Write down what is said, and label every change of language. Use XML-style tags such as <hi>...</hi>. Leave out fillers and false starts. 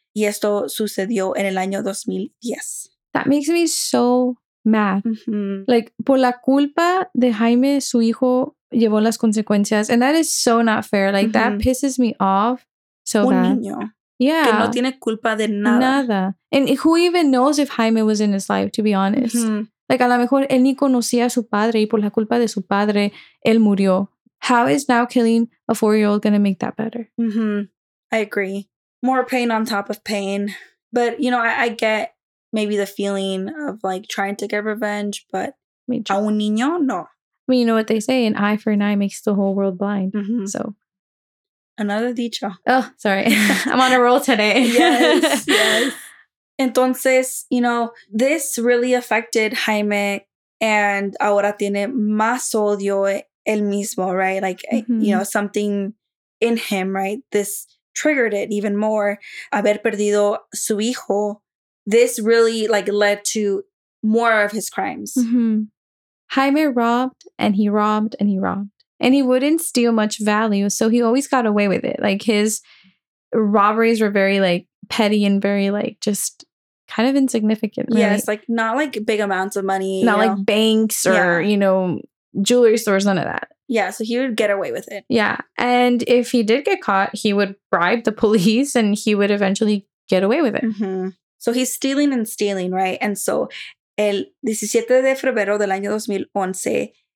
<es>Y esto sucedió en el año 2010.</es> <en>That makes me so mad. Mm-hmm. Like,</en> <es>por la culpa de Jaime, su hijo llevó las consecuencias.</es> <en>And that is so not fair. Like, mm-hmm. That pisses me off so</en> <es>Un</es> <en>bad.</en> <es>Un niño.</es> <en>Yeah.</en> <es>Que no tiene culpa de nada. Nada.</es> <en>And who even knows if Jaime was in his life, to be honest. Mm-hmm. Like,</en> <es>a lo mejor él ni conocía a su padre y por la culpa de su padre, él murió.</es> <en>How is now killing a 4-year-old going to make that better? Mm-hmm. I agree. More pain on top of pain. But, you know, I get maybe the feeling of, like, trying to get revenge, but</en> <es>a un niño, no.</es> <en>I mean, you know what they say, an eye for an eye makes the whole world blind. Mm-hmm. So... Another dicho. Oh, sorry. I'm on a roll today. Yes.</en> <es>Entonces,</es> <en>you know, this really affected Jaime and</en> <es>ahora tiene más odio el mismo,</es> <en>right? Like, mm-hmm. You know, something in him, right? This triggered it even more.</en> <es>Haber perdido su hijo.</es> <en>This really, like, led to more of his crimes. Mm-hmm. Jaime robbed and he robbed and he robbed. And he wouldn't steal much value, so he always got away with it. Like, his robberies were very, like, petty and very, like, just kind of insignificant, right? Yeah, it's, like, not, like, big amounts of money. Not, know? Like, banks or, yeah. You know, jewelry stores, none of that. Yeah, so he would get away with it. Yeah, and if he did get caught, he would bribe the police, and he would eventually get away with it. Mm-hmm. So he's stealing and stealing, right? And so,</en> <es>el 17 de febrero del año 2011...</es>